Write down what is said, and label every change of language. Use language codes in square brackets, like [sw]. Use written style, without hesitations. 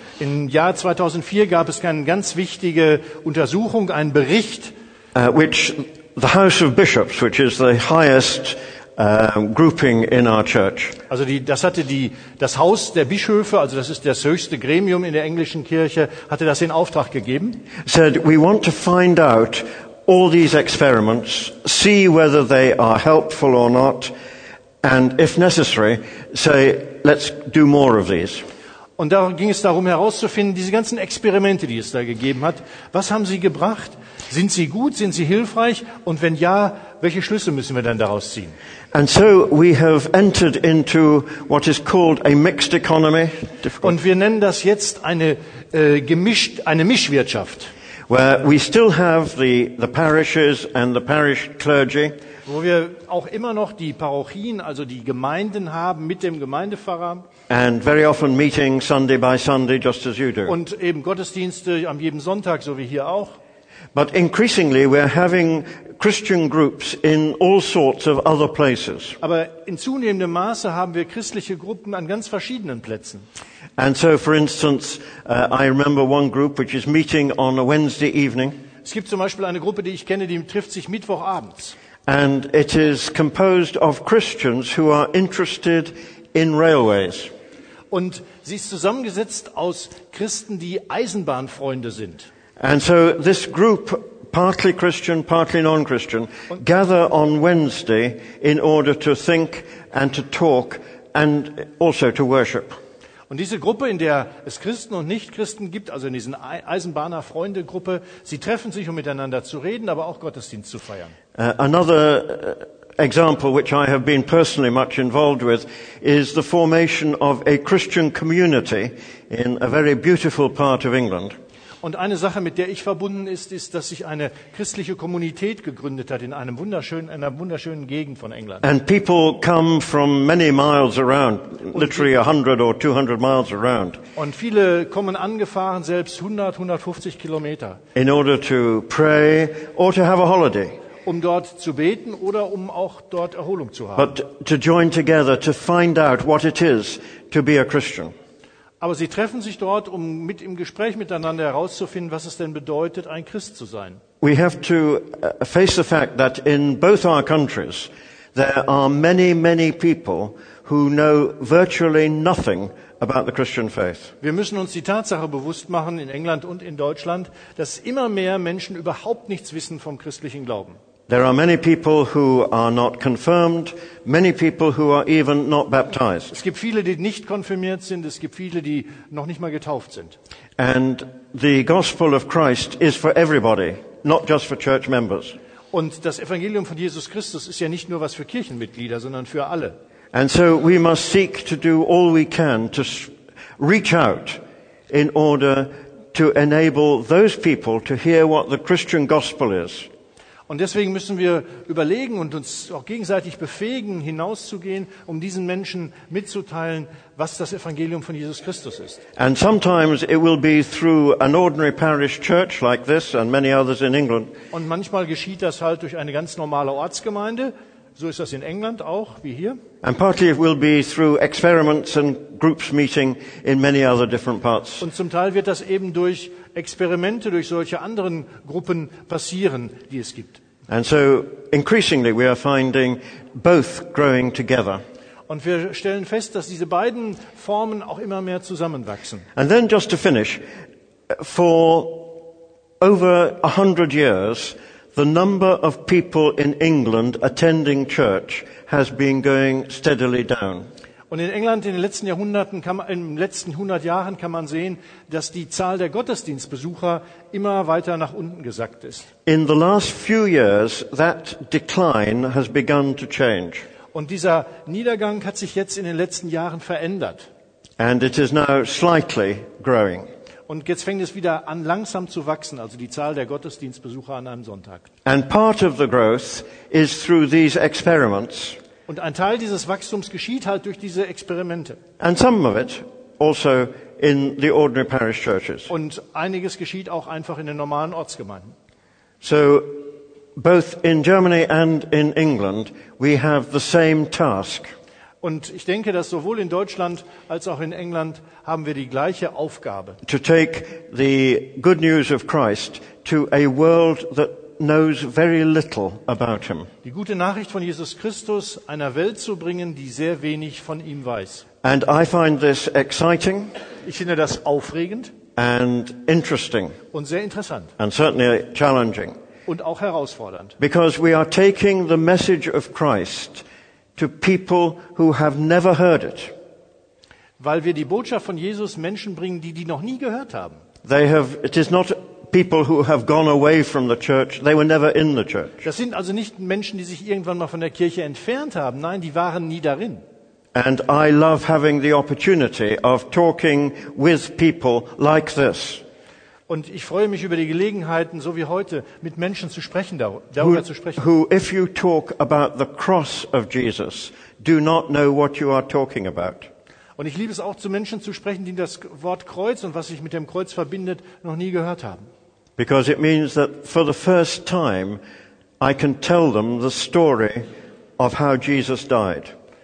[de] Im Jahr 2004 gab es eine ganz wichtige Untersuchung, einen Bericht, [en] which the House of Bishops, which is the highest grouping in our church. [de] Also das Haus der Bischöfe, also das ist das höchste Gremium in der englischen Kirche, hatte das in Auftrag gegeben. [en] Said we want to find out all these experiments, see whether they are helpful or not, and if necessary, say let's do more of these. [de] Und da ging es darum herauszufinden, diese ganzen Experimente, die es da gegeben hat, was haben sie gebracht? Sind sie gut? Sind sie hilfreich? Und wenn ja, welche Schlüsse müssen wir dann daraus ziehen? [en] And so we have entered into what is called a mixed economy. Difficult. [de] Und wir nennen das jetzt eine Mischwirtschaft. [en] Where we still have the parishes and the parish clergy. [de] Wo wir auch immer noch die Parochien, also die Gemeinden haben mit dem Gemeindepfarrer. [en] And very often meeting Sunday by Sunday, just as you do. [de] Und eben Gottesdienste am jeden Sonntag, so wie hier auch. [en] But increasingly we're having Christian groups in all sorts of other places. [de] Aber in zunehmendem Maße haben wir christliche Gruppen an ganz verschiedenen Plätzen. [en] And so, for instance, I remember one group which is meeting on a Wednesday evening. [de] Es gibt zum Beispiel eine Gruppe, die ich kenne, die trifft sich Mittwochabends. [en] And it is composed of Christians who are interested in railways. [de] Und sie ist zusammengesetzt aus Christen, die Eisenbahnfreunde sind. [en] And so this group, partly Christian, partly non-Christian, gather on Wednesday in order to think and to talk and also to worship. [de] Und diese Gruppe, in der es Christen und Nichtchristen gibt, also in diesen Eisenbahner-Freunde-Gruppe, sie treffen sich, um miteinander zu reden, aber auch Gottesdienst zu feiern. [en] Another example which I have been personally much involved with is the formation of a Christian community in a very beautiful part of England. [de] Und eine Sache, mit der ich verbunden ist, ist, dass sich eine christliche Kommunität gegründet hat in einer wunderschönen Gegend von England. [en] And people come from many miles around, literally 100 or 200 miles around. [de] Und viele kommen angefahren, selbst 100, 150 Kilometer. [en] In order to pray or to have a holiday. [de] Um dort zu beten oder um auch dort Erholung zu haben. [en] But to join together to find out what it is to be a Christian. [de] Aber sie treffen sich dort, um mit im Gespräch miteinander herauszufinden, was es denn bedeutet, ein Christ zu sein. [en] We have to face the fact that in both our countries there are many, many people who know virtually nothing about the Christian faith. [de] Wir müssen uns die Tatsache bewusst machen, in England und in Deutschland, dass immer mehr Menschen überhaupt nichts wissen vom christlichen Glauben. [en] There are many people who are not confirmed, many people who are even not baptized. [de] Es gibt viele, die nicht konfirmiert sind, es gibt viele, die noch nicht mal getauft sind. [en] And the gospel of Christ is for everybody, not just for church members. [de] Und das Evangelium von Jesus Christus ist ja nicht nur was für Kirchenmitglieder, sondern für alle. [en] And so we must seek to do all we can to reach out in order to enable those people to hear what the Christian gospel is. [de] Und deswegen müssen wir überlegen und uns auch gegenseitig befähigen, hinauszugehen, um diesen Menschen mitzuteilen, was das Evangelium von Jesus Christus ist. [en] And sometimes it will be through an ordinary parish church like this and many others in England. [de] Und manchmal geschieht das halt durch eine ganz normale Ortsgemeinde. So ist das in England auch, wie hier. [en] And partly it will be through experiments and groups meeting in many other different parts. [de] Und zum Teil wird das eben durch Experimente, durch solche anderen Gruppen passieren, die es gibt. [en] And so increasingly we are finding both growing together. [de] Und wir stellen fest, dass diese beiden Formen auch immer mehr zusammenwachsen. [en] And then just to finish, for over 100 years the number of people in England attending church has been going steadily down. [de] Und in England in den letzten Jahrhunderten kann man sehen, dass die Zahl der Gottesdienstbesucher immer weiter nach unten gesackt ist. [en] In the last few years that decline has begun to change. [de] Und dieser Niedergang hat sich jetzt in den letzten Jahren verändert. [en] And it is now slightly growing. [de] Und jetzt fängt es wieder an, langsam zu wachsen, also die Zahl der Gottesdienstbesucher an einem Sonntag. [en] And part of the growth is through these experiments. [de] Und ein Teil dieses Wachstums geschieht halt durch diese Experimente. [en] And some of it also in the ordinary parish churches. [de] Und einiges geschieht auch einfach in den normalen Ortsgemeinden. [en] So, both in Germany and in England, we have the same task. [de] Und ich denke, dass sowohl in Deutschland als auch in England haben wir die gleiche Aufgabe. [en] To take the good news of Christ to a world that knows very little about him. [de] Die gute Nachricht von Jesus Christus einer Welt zu bringen, die sehr wenig von ihm weiß. [en] And I find this exciting. [de] Ich finde das aufregend. [en] And interesting. [de] Und sehr interessant. [en] And certainly challenging. [de] Und auch herausfordernd. [en] Because we are taking the message of Christ to people who have never heard it. [de] Weil wir die Botschaft von Jesus Menschen bringen, die noch nie gehört haben. [en] It is not people who have gone away from the church. They were never in the church. [de] Das sind also nicht Menschen, die sich irgendwann mal von der Kirche entfernt haben. Nein, die waren nie darin. [en] And I love having the opportunity of talking with people like this. [de] Und ich freue mich über die Gelegenheiten, so wie heute, mit Menschen zu sprechen, darüber zu sprechen. [en] Who, if you talk about the cross of Jesus, do not know what you are talking about. [de] Und ich liebe es auch, zu Menschen zu sprechen, die das Wort Kreuz und was sich mit dem Kreuz verbindet, noch nie gehört haben. [en] Because it means that for the first time, I can tell them the story of how Jesus died.